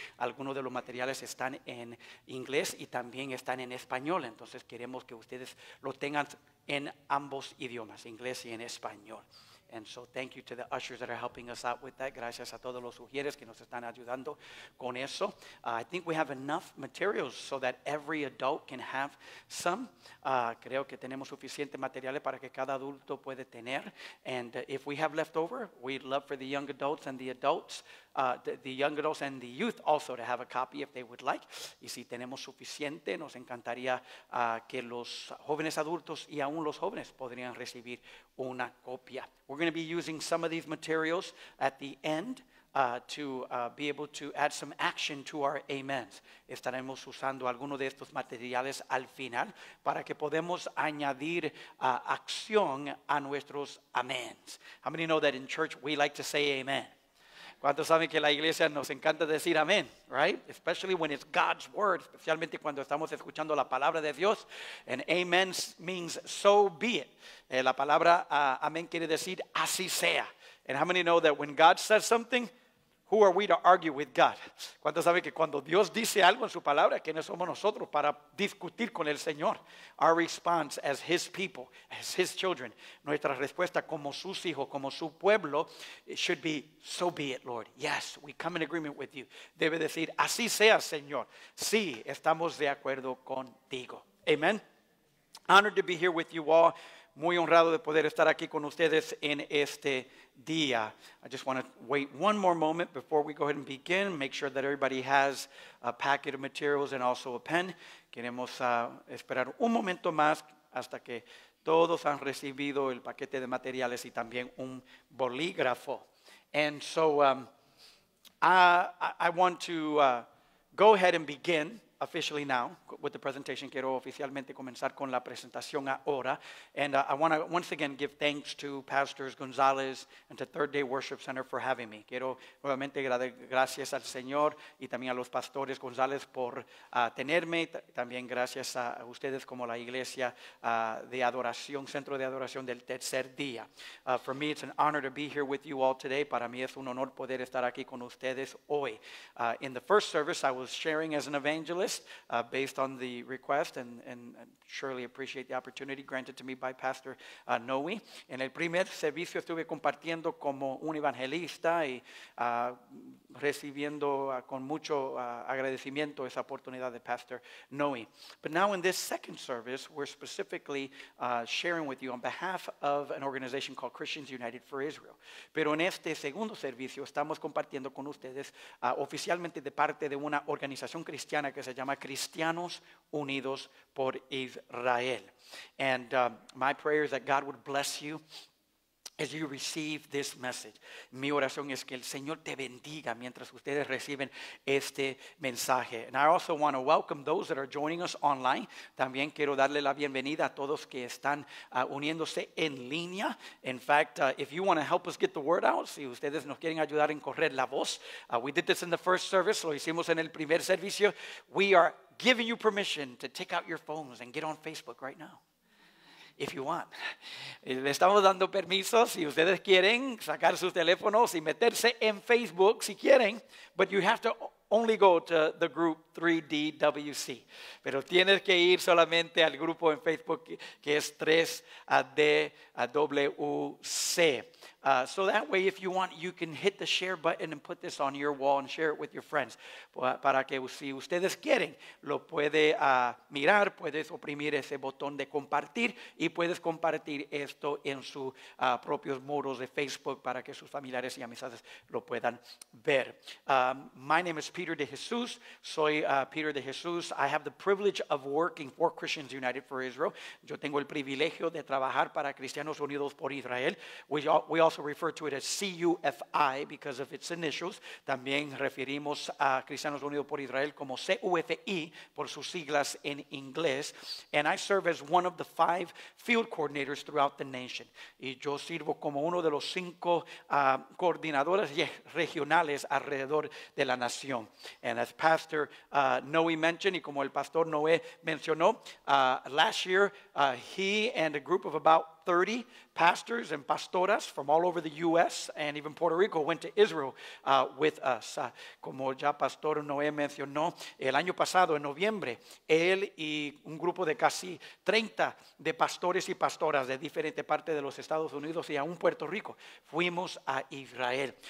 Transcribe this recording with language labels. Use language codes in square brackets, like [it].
[es] Algunos de los materiales están en inglés y también están en español. Entonces queremos que ustedes lo tengan en ambos idiomas, inglés y en español. [en] And so thank you to the ushers that are helping us out with that. [es] Gracias a todos los ujieres que nos están ayudando con eso. [en] I think we have enough materials so that every adult can have some. [es] Creo que tenemos suficiente materiales para que cada adulto puede tener. [en] And if we have leftover, we'd love for the young adults and the adults, the young adults and the youth also to have a copy if they would like. [es] Y si tenemos suficiente, nos encantaría que los jóvenes adultos y aún los jóvenes podrían recibir una copia. [en] We're going to be using some of these materials at the end to be able to add some action to our amens. [es] Estaremos usando alguno de estos materiales al final para que podamos añadir acción a nuestros amens. [en] How many know that in church we like to say amen? [es] ¿Cuántos saben que la iglesia nos encanta decir amén? [en] Right? Especially when it's God's word, [es] especialmente cuando estamos escuchando la palabra de Dios. [en] And amen means so be it. [es] La palabra amén quiere decir así sea. [en] And how many know that when God says something, who are we to argue with God? [es] ¿Cuántos saben que cuando Dios dice algo en su palabra, quiénes somos nosotros para discutir con el Señor? [en] Our response as his people, as his children, [es] nuestra respuesta como sus hijos, como su pueblo, [en] it should be, so be it, Lord. Yes, we come in agreement with you. [es] Debe decir, así sea, Señor. Sí, estamos de acuerdo contigo. Amen. [en] Honored to be here with you all. [es] Muy honrado de poder estar aquí con ustedes en este día. [en] I just want to wait one more moment before we go ahead and begin. Make sure that everybody has a packet of materials and also a pen. [es] Queremos esperar un momento más hasta que todos han recibido el paquete de materiales y también un bolígrafo. [en] And so I want to go ahead and begin. Officially now, with the presentation, [es] quiero oficialmente comenzar con la presentación ahora. [en] And I want to once again give thanks to Pastors Gonzalez and to Third Day Worship Center for having me. [es] Quiero nuevamente dar gracias al Señor y también a los pastores Gonzalez por tenerme. También gracias a ustedes como la Iglesia de Adoración, Centro de Adoración del Tercer Día. [en] For me, it's an honor to be here with you all today. [es] Para mí es un honor poder estar aquí con ustedes hoy. [en] In the first service, I was sharing as an evangelist. Based on the request and surely appreciate the opportunity granted to me by Pastor Noe. [es] En el primer servicio estuve compartiendo como un evangelista y recibiendo con mucho agradecimiento esa oportunidad de Pastor Noe. [en] But now in this second service, we're specifically sharing with you on behalf of an organization called Christians United for Israel. [es] Pero en este segundo servicio estamos compartiendo con ustedes oficialmente de parte de una organización cristiana que se llama Cristianos Unidos por Israel. [en] And my prayer is that God would bless you as you receive this message. [es] Mi oración es que el Señor te bendiga mientras ustedes reciben este mensaje. [en] And I also want to welcome those that are joining us online. [es] También quiero darle la bienvenida a todos que están uniéndose en línea. [en] In fact, if you want to help us get the word out, [es] si ustedes nos quieren ayudar en correr la voz, [en] we did this in the first service, [es] lo hicimos en el primer servicio. [en] We are giving you permission to take out your phones and get on Facebook right now. If you want. [es] Le estamos dando permiso si ustedes quieren sacar sus teléfonos y meterse en Facebook si quieren, [en] but you have to only go to the group 3DWC. [es] Pero tienes que ir solamente al grupo en Facebook que es 3DWC. [en] So that way, if you want, you can hit the share button and put this on your wall and share it with your friends. [es] Para que si ustedes quieren, lo puede mirar, puedes oprimir ese botón de compartir y puedes compartir esto en sus propios muros de Facebook para que sus familiares y amistades lo puedan ver. [en] My name is Peter de Jesús. [es] Soy Peter de Jesús. [en] I have the privilege of working for Christians United for Israel. [es] Yo tengo el privilegio de trabajar para Cristianos Unidos por Israel. [en] We also refer to it as CUFI because of its initials. [es] También referimos a Cristianos Unidos por Israel como CUFI por sus siglas en inglés. [en] And I serve as one of the 5 field coordinators throughout the nation. [es] Y yo sirvo como uno de los 5 coordinadores regionales alrededor de la nación. [en] And as Pastor Noe mentioned, [es] y como el Pastor Noe mencionó, [en] last year he and a group of about 30 pastors and pastoras from all over the U.S. and even Puerto Rico went to Israel with us. [es] Como ya Pastor Noé mencionó, el año pasado, en noviembre, él y un grupo de casi 30 de pastores y pastoras de diferente parte de los Estados Unidos y aún Puerto Rico, fuimos a Israel.